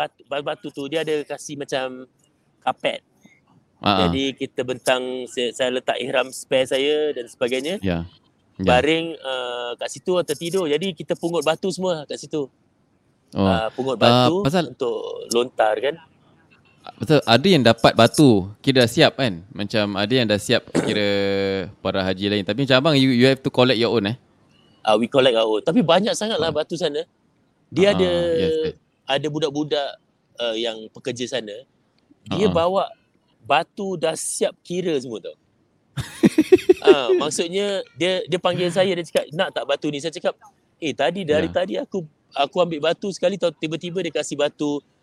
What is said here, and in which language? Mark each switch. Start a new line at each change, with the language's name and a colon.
Malay: Batu tu dia ada kasi macam karpet. Jadi kita bentang, saya letak ihram spare saya dan sebagainya.
English: Yeah. Yeah.
Malay: Baring kat situ atau tidur. Jadi kita pungut batu semua kat situ. Oh. Pungut batu pasal untuk lontar kan. Betul, ada yang dapat batu, kira dah siap kan. Macam ada yang dah siap kira para haji lain. Tapi macam abang,
English: you have to collect your own
Malay: eh.
English: We collect our own.
Malay: Tapi banyak sangatlah batu sana. Dia ada ada budak-budak yang pekerja sana. Dia bawa batu dah siap kira semua tau. maksudnya dia panggil saya, dia cakap nak tak batu ni. Saya cakap, tadi dari tadi aku ambil batu sekali tau, tiba-tiba dia kasih batu.